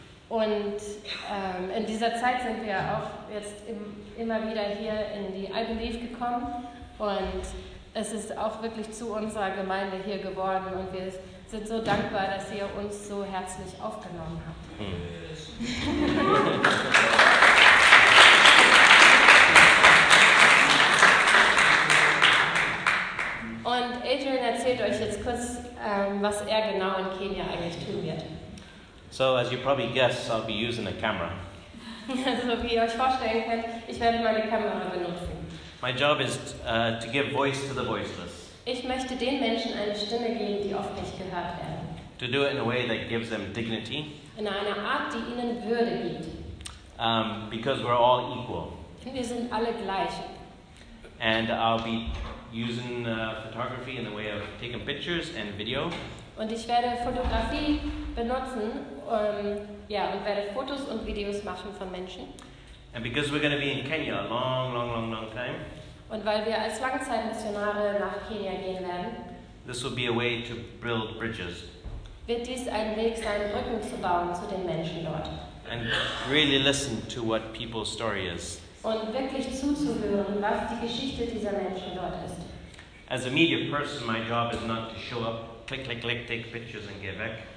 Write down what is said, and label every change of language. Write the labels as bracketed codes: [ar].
[de] Und in dieser Zeit sind wir auch jetzt immer wieder hier in die I Believe gekommen und es ist auch wirklich zu unserer Gemeinde hier geworden und wir sind so dankbar, dass ihr uns so herzlich aufgenommen habt. Und Adrian erzählt euch jetzt kurz, was er genau in Kenia eigentlich tun wird. [en] So, as you probably guess, I'll be using a camera. [de] Also, wie ihr euch vorstellen könnt, ich werde meine Kamera benutzen. [en] My job is to give voice to the voiceless. [de] Ich möchte den Menschen eine Stimme geben, die oft nicht gehört werden. [en] To do it in a way that gives them dignity. [de] In einer Art, die ihnen Würde gibt. [en] Because we're all equal. [de] Wir sind alle gleich. [en] And I'll be using photography in the way of taking pictures and video. [de] Und ich werde Fotografie benutzen, und werde Fotos und Videos machen von Menschen. [en] And because we're going to be in Kenya a long, long, long, long time. [de] Und weil wir als Langzeitmissionare nach Kenia gehen werden. [en] This will be a way to build bridges. [de] Wird dies ein Weg sein, Brücken zu bauen zu den Menschen dort. [en] And really listen to what people's story is. [de] Und wirklich zuzuhören, was die Geschichte dieser Menschen dort ist. [en] As a media person, my job is not to show up, click, click, click, take pictures and get back.